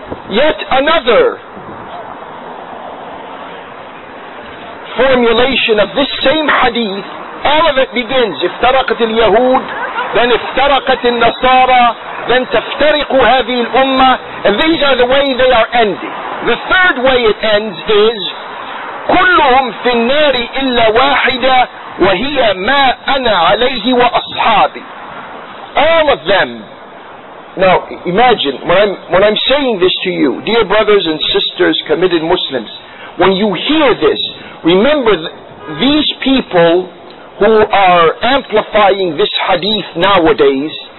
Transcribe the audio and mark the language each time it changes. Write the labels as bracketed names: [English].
[English] Yet another formulation of this same hadith, all of it begins, [Arabic] افترقت اليهود, [English] then [Arabic] افترقت النصارى, [English] then [Arabic] تفترق هذه الأمة, [English] and these are the way they are ending. The third way it ends is [Arabic] كلهم في النار إلا واحدة وهي ما أنا عليه وأصحابي. [English] All of them. Now imagine when I'm saying this to you, dear brothers and sisters, committed Muslims. When you hear this, remember these people who are amplifying this hadith nowadays.